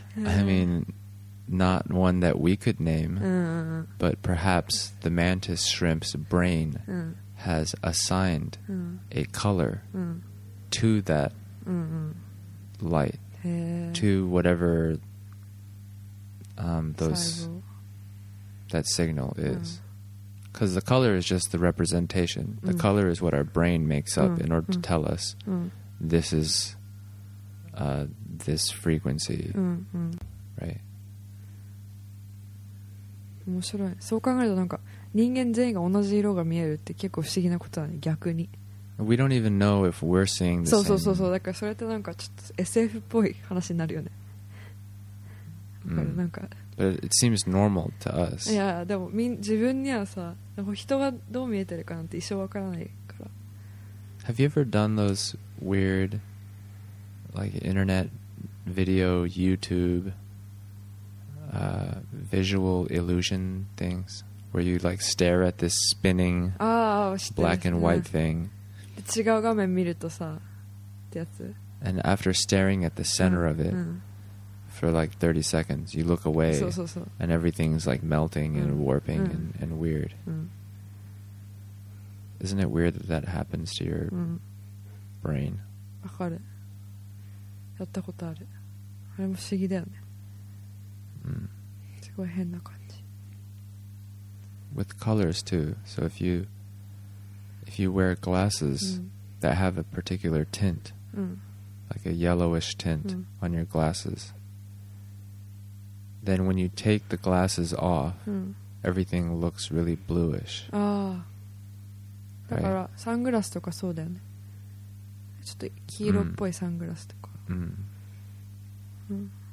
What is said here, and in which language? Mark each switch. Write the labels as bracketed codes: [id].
[en] I mean, not one that we could name, but perhaps the mantis shrimp's brain has assigned a color to that light, to whatever that signal is. Because the color is just the representation. The color is what our brain makes up in order to tell us this is this frequency. Right? [ja] 面白い。そう考えるとなんか人間全員が同じ色が見えるって結構不思議なことだね、逆に。 [en] We don't even know if we're seeing the same. [ja] そうそうそう、だからそれってなんかちょっと SF っぽい話になるよね。 [en] But it seems normal to us. [ja] Yeah, でも自分にはさ、人がどう見えてるかなんて一生わからないから。 [en] Have you ever done those weird, like internet video, YouTube, visual illusion things, where you like stare at this spinning black and white thing? [ja] 違う画面見るとさってやつ。 [en] And after staring at the center of it、for like 30 seconds you look away、and everything's like melting and warping、and weird、isn't it weird that that happens to your、brain? [ja] わかる、やったことある、あれも不思議だよね、すごい変な感じ。 [en] With colors too. So if you wear glasses、that have a particular tint、like a yellowish tint、on your glasses, then when you take the glasses off、everything looks really bluish. [ja] ああ、だからサングラスとかそうだよね、ちょっと黄色っぽいサングラスとか、そうだね。